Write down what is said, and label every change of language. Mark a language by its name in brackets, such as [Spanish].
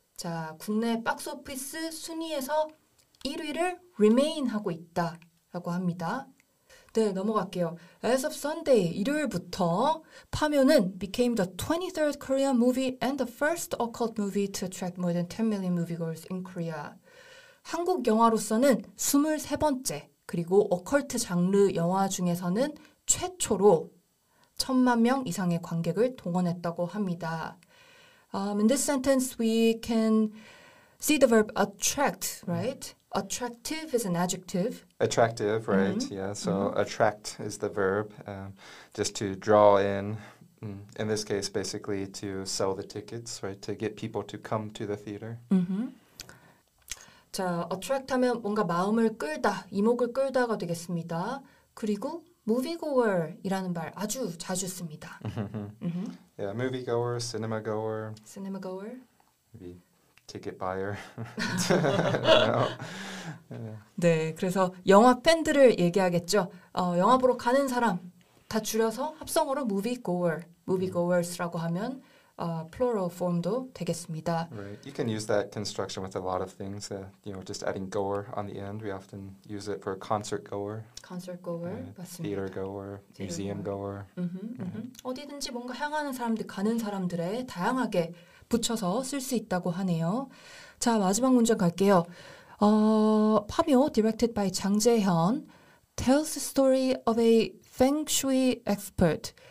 [Korean] 자, 국내 박스오피스 순위에서 1위를 remain 하고 있다라고 합니다. 네, 넘어갈게요. [English] As of Sunday, [Korean] 일요일부터 파묘는 [English] became the 23rd Korean movie and the first occult movie to attract more than 10 million moviegoers in Korea. [Korean] 한국 영화로서는 23번째, 그리고 어컬트 장르 영화 중에서는 최초로 1,000만 명 이상의 관객을 동원했다고 합니다. [English] In this sentence, we can see the verb attract, right? Attractive is an adjective. Attractive, right, yeah. So attract is the verb, just to draw in this case, basically to sell the tickets, right? To get people to come to the theater. [Korean] Mm-hmm. 자, attract 하면 뭔가 마음을 끌다, 이목을 끌다가 되겠습니다. 그리고 moviegoer이라는 말 아주 자주 씁니다. [English] Yeah, moviegoer, cinema goer. Cinema goer. Maybe ticket buyer. Yeah. [Korean] 네, 그래서 영화 팬들을 얘기하겠죠. 영화 보러 가는 사람 다 줄여서 합성어로 moviegoer, moviegoers라고 하면 plural form도 되겠습니다. [English] Right, you can use that construction with a lot of things. You know, just adding goer on the end. We often use it for concert goer. Concert goer, [Korean] 맞습니다. [English] Theater goer, museum goer. [Korean] 어디든지 뭔가 향하는 사람들, 가는 사람들의 다양하게 붙여서 쓸 수 있다고 하네요. 자, 마지막 문장 갈게요. [English] 파묘, directed by 장재현, tells the story of a feng shui expert.